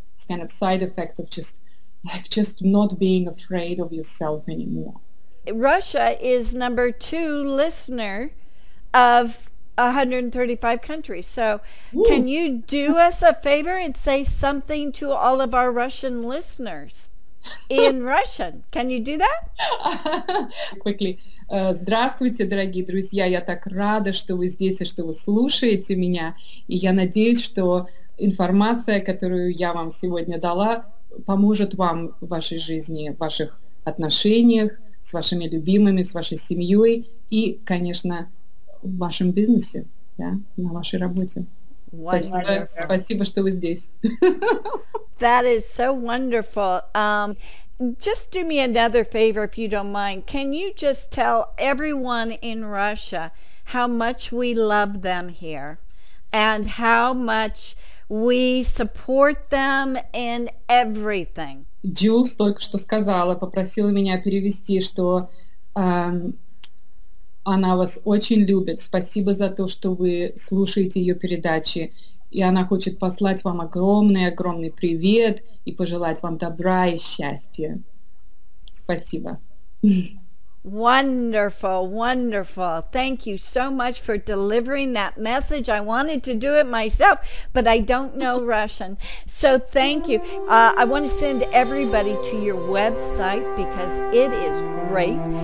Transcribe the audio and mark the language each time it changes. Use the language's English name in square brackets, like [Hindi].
[English] It's kind of side effect of just like just not being afraid of yourself anymore. Russia is number two listener of 135 countries. So Can you do us a favor and say something to all of our Russian listeners? in Russian. Can you do that? Quickly. [Russian] Здравствуйте, дорогие друзья. Я так рада, что вы здесь и что вы слушаете меня. И я надеюсь, что информация, которую я вам сегодня дала, поможет вам в вашей жизни, в ваших отношениях с вашими любимыми, с вашей семьей и, конечно, в вашем бизнесе, да, на вашей работе. Спасибо, что вы здесь. [English] That is so wonderful. Just do me another favor, if you don't mind. Can you just tell everyone in Russia how much we love them here and how much we support them in everything? [Russian] Джулс только что сказала, попросила меня перевести, что она вас очень любит. Спасибо за то, что вы слушаете ее передачи. И она хочет послать вам огромный-огромный привет и пожелать вам добра и счастья. Спасибо. [English] Wonderful, wonderful. Thank you so much for delivering that message. I wanted to do it myself, but I don't know Russian. So thank you. I want to send everybody to your website because it is great.